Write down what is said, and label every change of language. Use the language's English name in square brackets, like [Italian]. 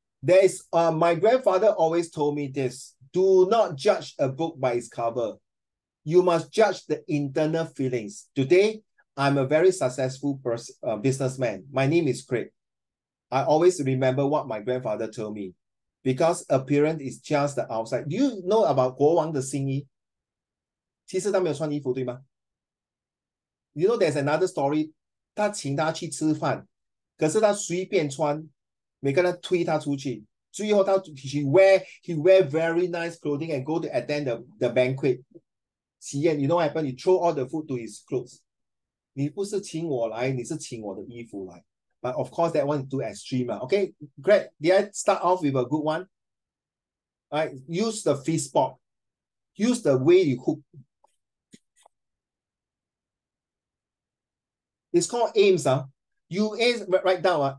[English] There is my grandfather always told me this. Do not judge a book by its cover. You must judge the internal feelings. Today, I'm a very successful businessman. My name is Craig. I always remember what my grandfather told me. Because appearance is just the outside. [Chinese] Do you know about 国王的新衣? 其实他没有穿衣服,对吗? [English] You know, there's another story. [Chinese] 他请他去吃饭，可是他随便穿，每个人推他出去。最后他 [English] he wear very nice clothing and go to attend the banquet. 喜宴, you know what happened? He throw all the food to his clothes. [Chinese] 你不是请我来，你是请我的衣服来. [English] But of course, that one is too extreme. Okay, great. Did I start off with a good one? All right, use the feast pot. Use the way you cook. It's called aims. You aim, write down.